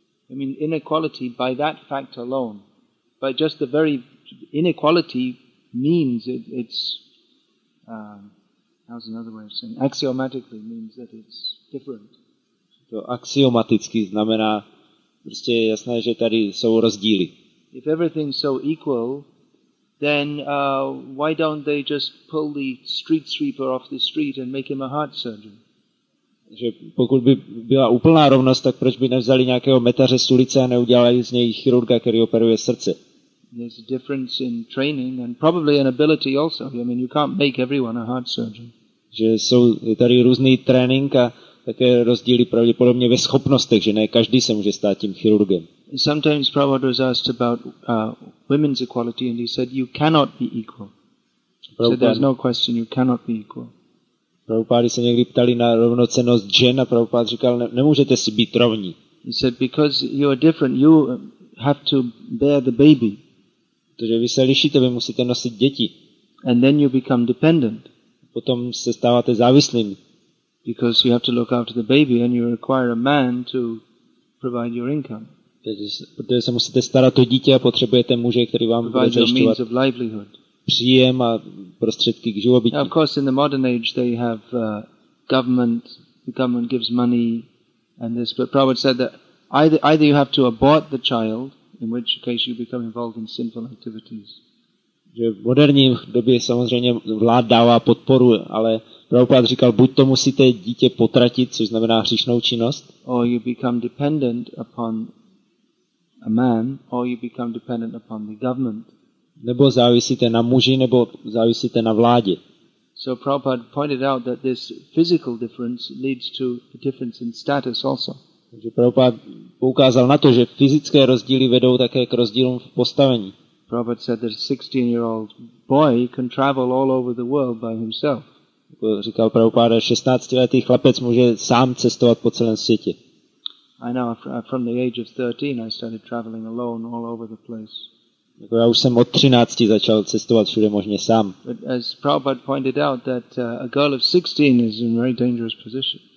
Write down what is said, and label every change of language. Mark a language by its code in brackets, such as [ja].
[en] I mean inequality by that fact alone, by just the very inequality means it's how's another way of saying axiomatically means that it's different. [cs] To axiomaticky znamená prostě jasné, že tady jsou rozdíly. [en] If everything's so equal, then why don't they just pull the street sweeper off the street and make him a heart surgeon? [cs] Že pokud by byla úplná rovnost, tak proč by nevzali nějakého metaře z ulice a neudělali z něj chirurga, který operuje srdce? [en] There's a difference in training and probably in ability also. I mean, you can't make everyone a heart surgeon. [cs] Že jsou tady různý trénink a také rozdíly pravděpodobně ve schopnostech, že ne každý se může stát tím chirurgem. [en] Sometimes Prabhupada was asked about women's equality and he said you cannot be equal. So there's no question you cannot be equal. [cs] Prabhupada se někdy ptali na rovnocenost žen a Prabhupada říkal nemůžete si být rovní. [en] He said because you are different you have to bear the baby. [cs] Protože vy se lišíte, vy musíte nosit děti. [en] And then you become dependent. [cs] Potom se stáváte závislým. [en] Because you have to look after the baby and you require a man to provide your income. [cs] Protože se musíte starat o dítě a potřebujete muže, který vám bude zajišťovat příjem a prostředky k živobytí. [en] Of course, in the modern age they have government. The government gives money, and this. But Prabhupada said that either you have to abort the child, in which case you become involved in sinful activities. [cs] Že v moderní době samozřejmě vláda dává podporu, ale Prabhupada říkal, buď to musíte dítě potratit, což znamená hříšnou činnost. [en] Or you become dependent upon a man, or you become dependent upon the government. [cs] Nebo závisíte na muži, nebo závisíte na vládě. [en] So Prabhupada pointed out that this physical difference leads to a difference in status also. [cs] Takže Prabhupada poukázal na to, že fyzické rozdíly vedou také k rozdílům v postavení. [en] Prabhupada said that a 16-year-old boy can travel all over the world by himself. [cs] Říkal Prabhupada, 16-letý chlapec může sám cestovat po celém světě. [en] I know, from the age of 13 I started traveling alone all over the place. [cs] Jako já už jsem od 13 začal cestovat všude možně sám. [en] But as Prabhupada pointed out that a girl of 16 is in a very dangerous position.